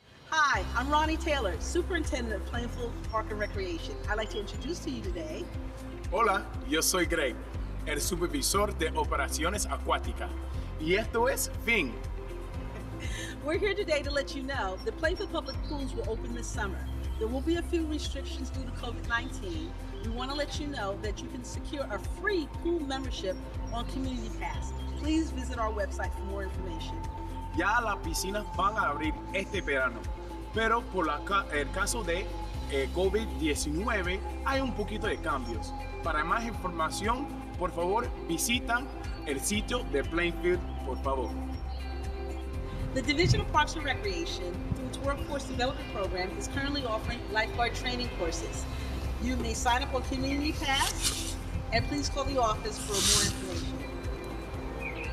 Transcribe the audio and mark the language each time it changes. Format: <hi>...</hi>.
<en>Hi, I'm Ronnie Taylor, Superintendent of Plainfield Park and Recreation. I'd like to introduce to you today.</en> <es>Hola, yo soy Greg, el Supervisor de Operaciones Acuáticas. Y esto es Finn.</es> <en>We're here today to let you know the Plainfield Public Pools will open this summer. There will be a few restrictions due to COVID-19. We want to let you know that you can secure a free pool membership on Community Pass. Please visit our website for more information.</en> <es>Ya las piscinas van a abrir este verano, pero por el caso de COVID-19 hay un poquito de cambios. Para más información, por favor, visita el sitio de Plainfield, por favor.</es> <en>The Division of Parks and Recreation, through its Workforce Development Program, is currently offering lifeguard training courses. You may sign up on Community Pass, and please call the office for more information.</en>